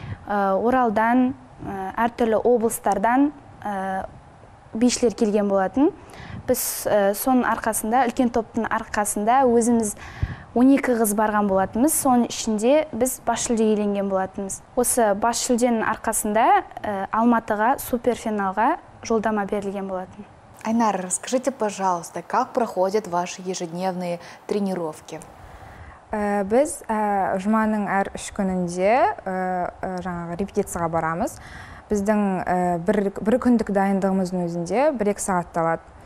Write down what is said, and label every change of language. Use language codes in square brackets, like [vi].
[kk] Оралдан, әртүрлі облыстардан бишілер келген болатын. Біз соның арқасында, үлкен топтың арқасында өзіміз 12 қыз барған болатынбыз, соның ішінде біз бас жүлде иеленген болатынбыз. Осы бас жүлденің арқасында Алматыға суперфиналға жолдама берілген болатын. [ru] Айнар, расскажите, пожалуйста, как проходят ваши ежедневные тренировки? [kk] Біз жұманың әр үш күнінде жаңағы репетицияға барамыз. Біздің бір күндік дайындығымыздың өзінде 1-2 сағат алады.